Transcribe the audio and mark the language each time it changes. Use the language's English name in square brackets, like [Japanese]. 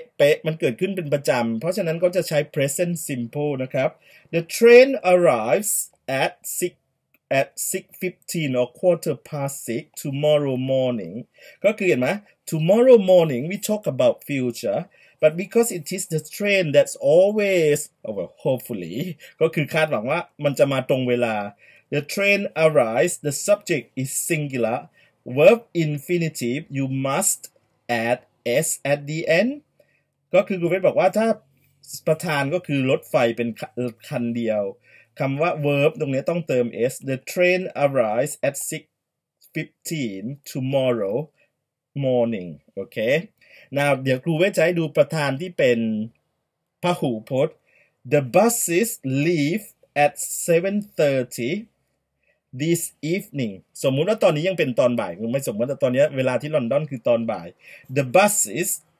[Thai] ะมันเกิดขึ้นเป็นประจำเพราะฉะนั้นก็จะใช้ [English] present simple [Thai] นะครับ [English] the train arrives at 6:15 or quarter past 6 tomorrow morning [Thai] ก็คือเห็นไหม [English] tomorrow morning we talk about futureBut because it is the train that's always, oh well, hopefully, [Thai] ก็คือคาดหวังว่ามันจะมาตรงเวลา [English] The train arrives, the subject is singular. Verb infinitive, you must add S at the end. [Thai] ก็คือกูเวทบอกว่าถ้าประธานก็คือรถไฟเป็นคันเดียวคำว่า verb ตรงนี้ต้องเติม S. [English] The train arrives at 6:15 tomorrow morning. Okay. [Thai] นะเดี๋ยวครูเวทจะให้ดูประธานที่เป็นพหูพจน์ [English] The buses leave at 7:30 this evening [Thai] สมมุติว่าตอนนี้ยังเป็นตอนบ่ายไม่สมมุติแต่ตอนนี้เวลาที่ลอนดอนคือตอนบ่าย [English] The buses